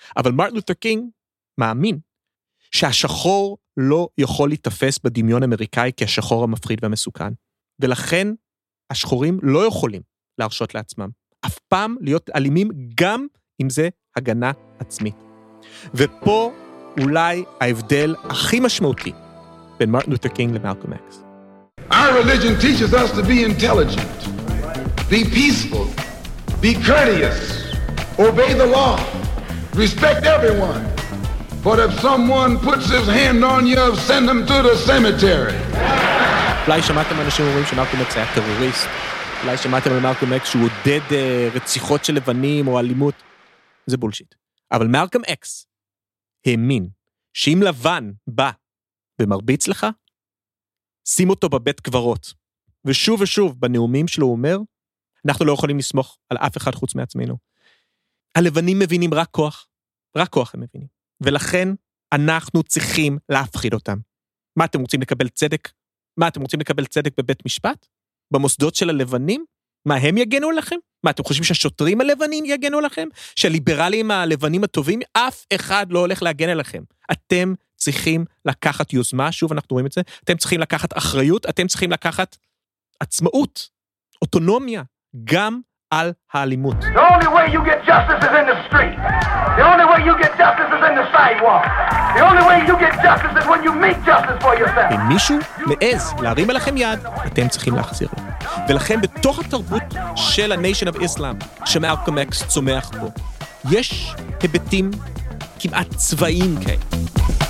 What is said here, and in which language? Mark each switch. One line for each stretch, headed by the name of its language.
Hebrew: אבל מרטין לותר קינג מאמין שהשחור לא יכול להתפס בדמיון אמריקאי כשחור המפחיד והמסוכן. ולכן השחורים לא יכולים להרשות לעצמם אף פעם להיות אלימים, גם אם זה הגנה עצמית. ופה אולי ההבדל הכי משמעותי בין מרטין לותר קינג למלקום אקס.
English: Our religion teaches us to be intelligent, be peaceful, be courteous, obey the law, respect everyone. But if someone puts his hand on you, send him to the cemetery.
Hebrew: אולי שמעתם אנשים אומרים שמלקום אקס היה טרוריסט, אולי שמעתם על מלקום אקס שהוא עודד רציחות של לבנים או אלימות, זה בולשיט. אבל מלקום אקס האמין שאם לבן בא ומרביץ לך, שים אותו בבית כברות. ושוב ושוב, בנאומים שלו הוא אומר, אנחנו לא יכולים לסמוך על אף אחד חוץ מעצמנו. הלבנים מבינים רק כוח, רק כוח הם מבינים. ולכן אנחנו צריכים להפחיד אותם. מה אתם רוצים לקבל צדק? מה אתם רוצים לקבל צדק בבית משפט? במוסדות של הלבנים? מה הם יגנו לכם? מה אתם חושבים שהשוטרים הלבנים יגנו לכם? שהליברלים הלבנים הטובים? אף אחד לא הולך להגן עליכם. אתם צריכים לקחת יוזמה, שוב אנחנו רואים את זה, אתם צריכים לקחת אחריות, אתם צריכים לקחת עצמאות, אוטונומיה, גם על האלימות.
English: The only way you get justice is in the street. The only way you get justice is in the sidewalk. The only way you get justice is when you make justice for yourself.
Hebrew: אם מישהו מעז להרים עליכם יד, אתם צריכים להחזיר. ולכן בתוך התרבות של ה-Nation of Islam, שמלקום אקס צומח בו, יש היבטים כמעט צבאיים כאלה.